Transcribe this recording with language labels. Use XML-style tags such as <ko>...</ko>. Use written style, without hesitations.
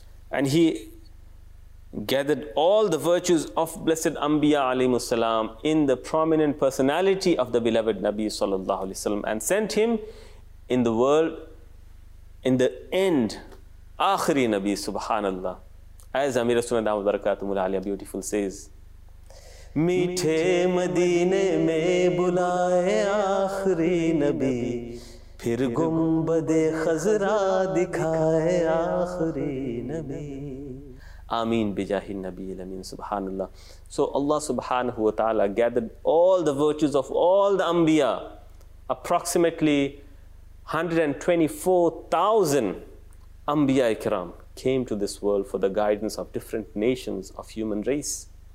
<en>And he gathered all the virtues of blessed Anbiya alayhi wasalam in the prominent personality of the beloved Nabi sallallahu alayhi wasalam, and sent him in the world, in the end, Akhiri Nabi subhanallah. As Amir Sunan Dawud Barakatuhu Al-Aliya beautiful says,</en> <ur>میٹھے مدینے میں بلائے آخری نبی پھر گنبد خضرا دکھائے آخری نبی</ur> <ar>آمین بجاہ النبی الامین سبحان اللہ.</ar> <en>So Allah subhanahu wa ta'ala gathered all the virtues of all the Anbiya, approximately 124,000 Anbiya ikram came to this world for the guidance of different nations of human race.</en>